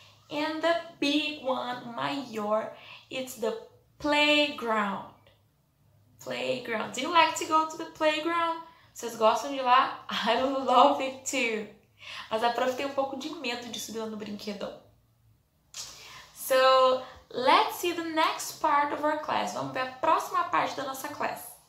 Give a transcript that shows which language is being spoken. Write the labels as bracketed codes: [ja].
[en] And the big one, maior, it's the playground. Playground. Do you like to go to the playground? [pt] Vocês gostam de lá? [en] I love it too. [pt] Mas a prof tem um pouco de medo de subir lá no brinquedão. [en] So, let's see the next part of our class. [pt] Vamos ver a próxima parte da nossa class.